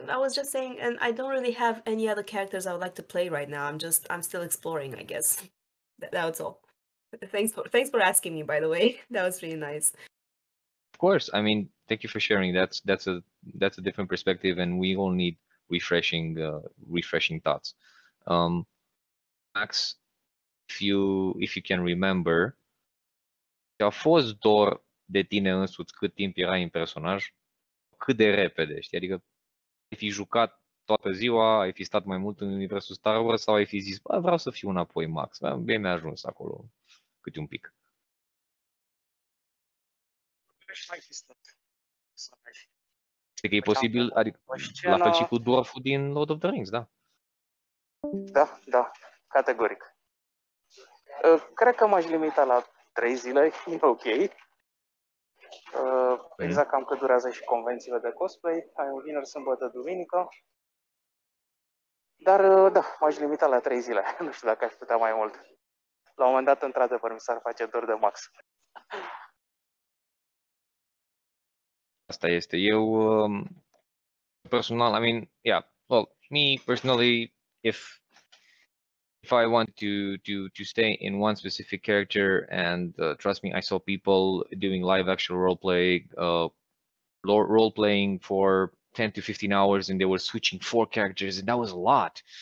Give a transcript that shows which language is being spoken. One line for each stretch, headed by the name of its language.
English: I was just saying, and I don't really have any other characters I would like to play right now. I'm still exploring, I guess. That's all. Thanks for asking me, by the way. That was really nice. Of course. I mean, thank you for sharing. That's a different perspective, and we all need refreshing thoughts.
Romanian: Max,
English: if you can remember,
Romanian: ți-a fost dor de tine însuți cât timp erai în personaj, cât de repede, știi? Adică ai fi jucat toată ziua, ai fi stat mai mult în universul Star Wars sau ai fi zis, bă, vreau să fiu înapoi, Max, bine mi-a ajuns acolo, câte un pic. Știi că e posibil, adică, la fel și cu dwarf-ul din Lord of the Rings, da? Da, da, categoric. Cred că m-aș limita la 3 zile, e ok. Exact cam cât durează și convențiile de cosplay, ai un vineri, sâmbătă, duminică. Dar, da, m-aș limita la 3 zile. Nu știu dacă aș putea mai mult. La un moment dat, într-adevăr, mi s-ar face dor de Max. Asta este. Eu, personal,
English: I mean, yeah, well, me personally, if I want to stay in one specific character, and trust me, I saw people doing live action roleplay, role-playing for 10 to 15 hours, and they were switching 4 characters, and that was a lot.